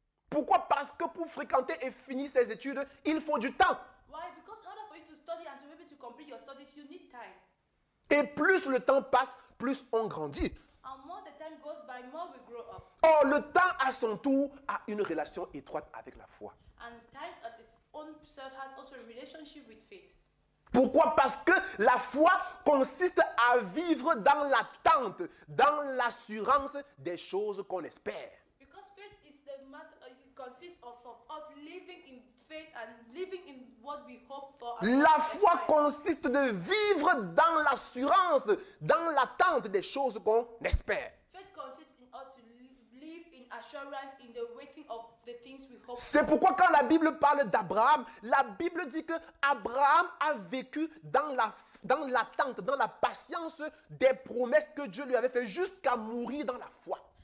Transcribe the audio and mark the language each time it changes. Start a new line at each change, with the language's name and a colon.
French: Pourquoi? Parce que pour fréquenter et finir ses études, il faut du temps.
English: Why? Because in order for you to study and to be able to complete your studies, you need time.
French: Et plus le temps passe, plus on grandit.
English: And more the time goes by, more we grow up.
French: Or, le temps à son tour a une relation étroite avec la foi.
English: And time at its own self has also a relationship with faith.
French: Pourquoi? Parce que la foi consiste à vivre dans l'attente, dans l'assurance des choses qu'on espère.
English: Because faith is the matter, it consists of us living in faith and living in what we hope for.
French: La foi consiste de vivre dans l'assurance, dans l'attente des choses qu'on espère.
English: Faith consists in us to live in assurance in the waiting of the things we hope.
French: C'est pourquoi quand la Bible parle d'Abraham, la Bible dit que Abraham a vécu dans l'attente, dans la patience des promesses que Dieu lui avait fait jusqu'à mourir dans la foi.